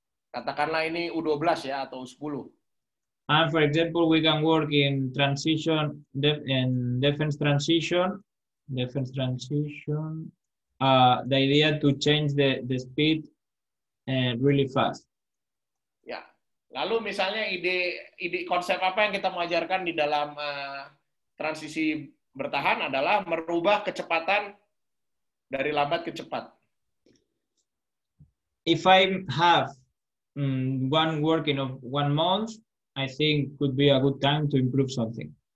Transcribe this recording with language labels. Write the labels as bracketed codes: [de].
[id] Katakanlah ini U12 ya atau U10. [en] And for example, we can work in transition, in defense transition, the idea to change the speed really fast. [id] Lalu misalnya ide konsep apa yang kita mengajarkan di dalam transisi bertahan adalah merubah kecepatan dari lambat ke cepat. [en] If I have one working of 1 month, I think could be a good time to improve something.